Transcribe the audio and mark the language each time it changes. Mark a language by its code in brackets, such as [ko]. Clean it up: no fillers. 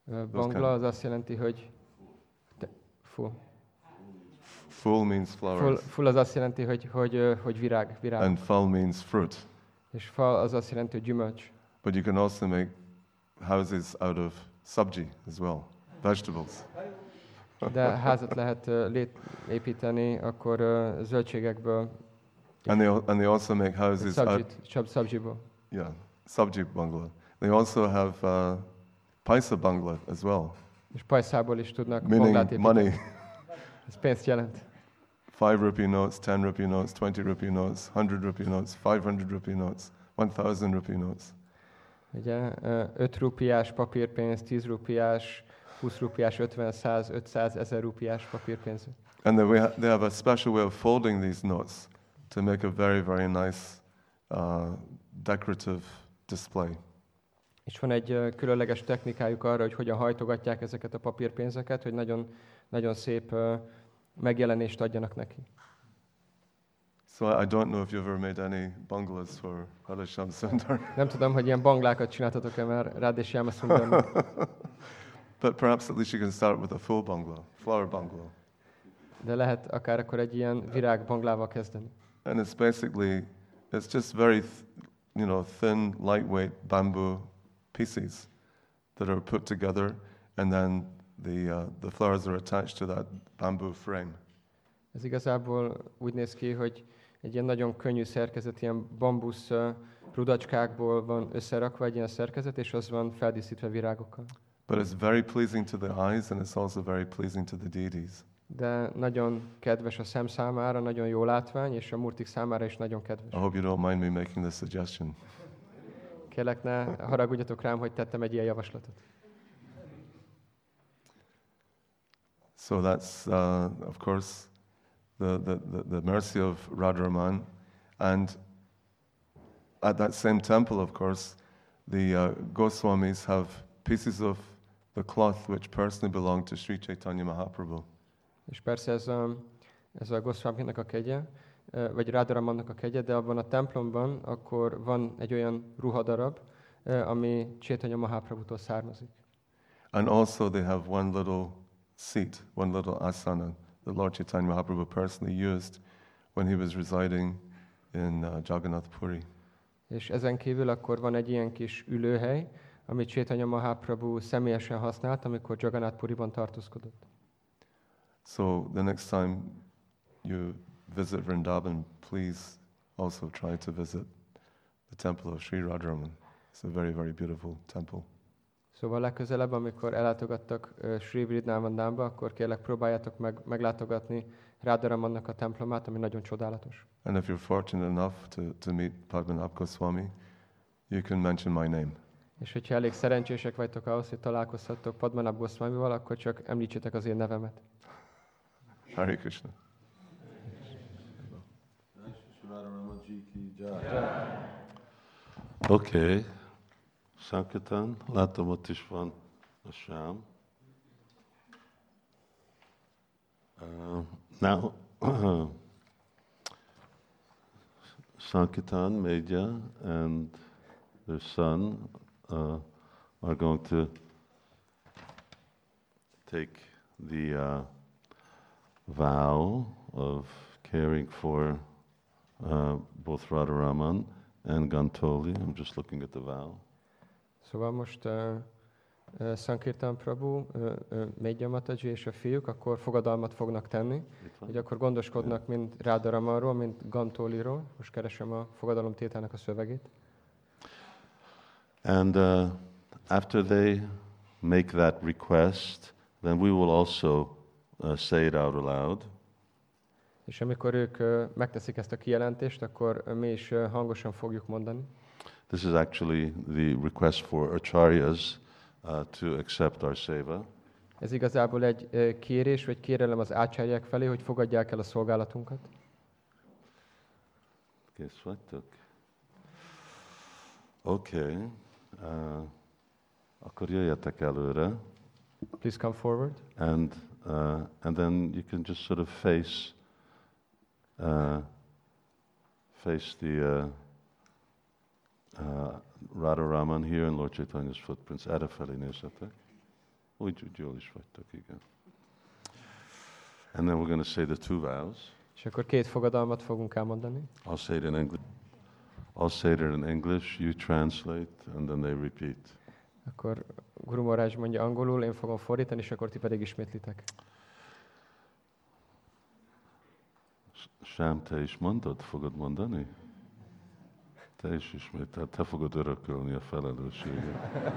[hu] Bungalow az azt jelenti, hogy full. [en] Full means flowers. [hu] Full az azt jelenti, hogy virág. [en] And full means fruit. [hu] És full az azt jelenti, hogy gyümölcs. [en] But you can also make houses out of sabji as well, vegetables. [hu] De házat lehet építeni akkor zöldségekből. [en] And they also make houses [hu] sabjiból. [en] Yeah, sabji bungalow. They also have paisa bungalow as well. [hu] És paisából is tudnak banglát építeni. [en] Money. [hu] Ez pénzt jelent. [en] 5 rupee notes, 10 rupee notes, 20 rupee notes, 100 rupee notes, 500 rupee notes, 1000 rupee notes. [hu] Ugye, 5 rupiás papírpénz, 10 rupiás, 20 rupiás, 50, 100, 500, 1000 rupiás papírpénz. [en] And they have a special way of folding these notes to make a very, very nice decorative display. [hu] És van egy különleges technikájuk arra, hogy hogyan hajtogatják ezeket a papírpénzeket, hogy nagyon, nagyon szép megjelenést adjanak neki. [en] So I don't know if you've ever made any bungalows for Radhesham Sundar. [hu] Nem tudom, hogy ilyen banglákat csináltatok-e már Radhesham Sundar. [en] But perhaps at least you can start with a full bungalow, flower bungalow. [hu] De lehet akár akkor egy ilyen virág banglával kezdeni. [en] And it's basically, it's just very, thin, lightweight bamboo pieces that are put together, and then the flowers are attached to that bamboo frame. [hu] Ez igazából úgy néz ki, hogy egy ilyen nagyon könnyű szerkezet, ilyen bambusz rudacskákból van összerakva egy ilyen szerkezet, és az van feldíszítve virágokkal. [en] But it's very pleasing to the eyes, and it's also very pleasing to the deities. [hu] De nagyon kedves a szem számára, nagyon jó látvány, és a murtik számára is nagyon kedves. [en] I hope you don't mind me making this suggestion. [hu] Kérlek, ne haragudjatok rám, hogy tettem egy ilyen javaslatot. [en] So that's, of course, the mercy of Radharaman, and at that same temple, of course, the Goswamis have pieces of the cloth which personally belong to Sri Chaitanya Mahaprabhu. [hu] És persze ez a Goswaminak a kegye, vagy Radharamannak a kegye, de abban a templomban akkor van egy olyan ruhadarab, ami Chaitanya Mahaprabhutól származik. [en] And also they have one little seat, one little asana, that Lord Chaitanya Mahaprabhu personally used when he was residing in Jagannath Puri. [hu] És ezen kívül akkor van egy ilyen kis ülőhely, amit Chaitanya Mahaprabhu személyesen használt, amikor Jagannath Puriban tartózkodott. [en] So the next time you visit Vrindavan, please also try to visit the temple of Sri Radharaman. It's a very, very beautiful temple. [hu] Szóval legközelebb, amikor ellátogattak Sri Vrindavanba, akkor kérlek próbáljátok meglátogatni Radharamannak a templomát, ami nagyon csodálatos. [en] And if you're fortunate enough to meet Padmanabha Goswami, you can mention my name. [hu] És hogyha elég szerencsések vagytok ahhoz, hogy találkozhattok Padmanabha Goswamival, akkor csak említsétek az én nevemet. [en] Hare Krishna. [hu] Okay. Sankirtan, látom, ott is van a Sám. [en] Now, Sankirtan, Medya, and their son are going to take the vow of caring for both Radharaman and Gantoli. I'm just looking at the vow. [hu] Szóval most Sankirtan Prabhu, Medya Mataji és a fiúk akkor fogadalmat fognak tenni, hogy akkor gondoskodnak mind Radharamanról, mind Gantoliról. Most keresem a fogadalomtételnek a szövegét. [en] And after they make that request, then we will also say it out aloud. [hu] És amikor ők megteszik ezt a kijelentést, akkor mi is hangosan fogjuk mondani. [en] This is actually the request for acharyas to accept our seva. [hu] Ez igazából egy kérés vagy kérelem az ácsárják felé, hogy fogadják el a szolgálatunkat. Kész vagytok? Okay. Akkor jöjjetek előre. [en] Please come forward. And then you can just sort of face the Radharaman here in Lord Chaitanya's footprints. [hu] Erre felé nézzetek. Úgy jól is vagytok, igen. [en] And then we're going to say the two vows. [hu] És akkor két fogadalmat fogunk elmondani. [en] I'll say it in English, you translate, and then they repeat. [hu] Akkor Guru Maharaj mondja angolul, én fogom fordítani, és akkor ti pedig ismétlitek. Sám, te is mondod, fogod mondani? Te is ismétel, te fogod örökölni a felelősséget.